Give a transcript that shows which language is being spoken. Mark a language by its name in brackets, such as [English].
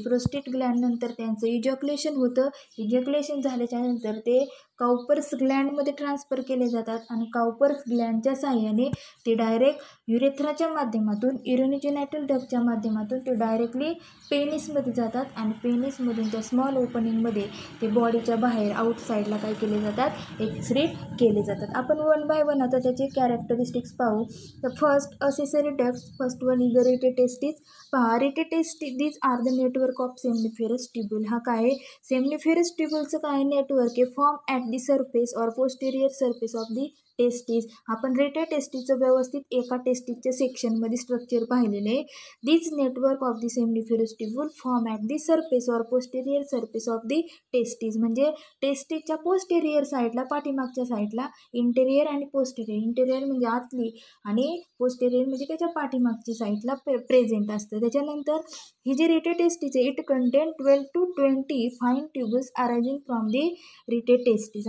[Marathi] Prostate ग्लँडनंतर त्यांचं ejaculation होतं. Ejaculation झाल्याच्या नंतर ते काउपर्स ग्लँडमध्ये ट्रान्सफर केले जातात आणि काउपर्स ग्लँडच्या साहाय्याने ते डायरेक्ट युरेथ्राच्या माध्यमातून युरिनजुनायटल डक्टच्या माध्यमातून ते डायरेक्टली पेनिसमध्ये जातात आणि पेनिसमधून त्या स्मॉल ओपनिंगमध्ये ते बॉडीच्या बाहेर आउटसाईडला काय केले जातात, एक्सरे केले जातात. आपण वन बाय वन आता त्याचे कॅरेक्टरिस्टिक्स पाहू. तर [English] First accessory duct, first one is the rete testis. पहा rete testis these are the network of seminiferous tubule. [Marathi] हा काय सेमिनिफेरस ट्यूबलचं काय नेटवर्क आहे, [English] Form at the surface or posterior surface of the testis. [Marathi] आपण रेटे टेस्टीजचं व्यवस्थित एका टेस्टीजच्या सेक्शनमध्ये स्ट्रक्चर पाहिलेले आहे. [English] These network of the seminiferous tubule form at the surface or posterior surface of the testis. [Marathi] म्हणजे टेस्टीजच्या पोस्टेरियर साईडला पाठीमागच्या साईडला इंटेरियर आणि पोस्टेरियर, इंटेरियर म्हणजे आतली आणि पोस्टेरियर म्हणजे त्याच्या पाठीमागच्या साईडला प्रेझेंट असतं. त्याच्यानंतर ही जी रेटे टेस्टीज आहे [English] It contain 12 to 20 fine tubules arising from the rete testis.